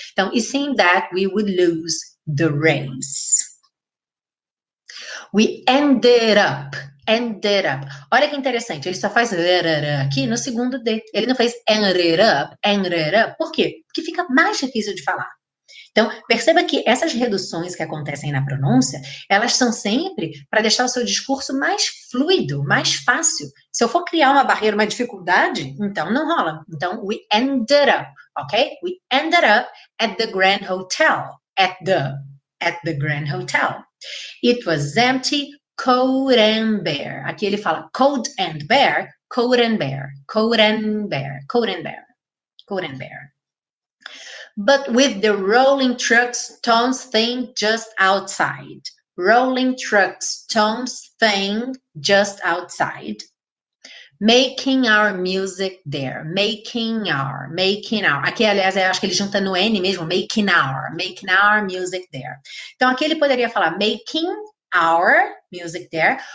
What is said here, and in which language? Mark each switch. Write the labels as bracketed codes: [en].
[pt] Então, [en] it seemed that we would lose the race. We ended up. [pt] Olha que interessante, ele só faz aqui no segundo D. Ele não fez [en] ended up. [pt] Por quê? Porque fica mais difícil de falar. Então, perceba que essas reduções que acontecem na pronúncia, elas são sempre para deixar o seu discurso mais fluido, mais fácil. Se eu for criar uma barreira, uma dificuldade, então não rola. Então, [en] we ended up, ok? We ended up at the Grand Hotel. At the Grand Hotel. It was empty, cold and bare. [pt] Aqui ele fala [en] cold and bare, cold and bare, cold and bare, cold and bare, cold and bare. But with the rolling trucks, Tom's thing just outside. Rolling trucks, Tom's thing just outside. Making our music there. Making our. [pt] Aqui, aliás, eu acho que ele junta no N mesmo. [en] Making our music there. [pt] Então, aqui ele poderia falar [en] making our music there.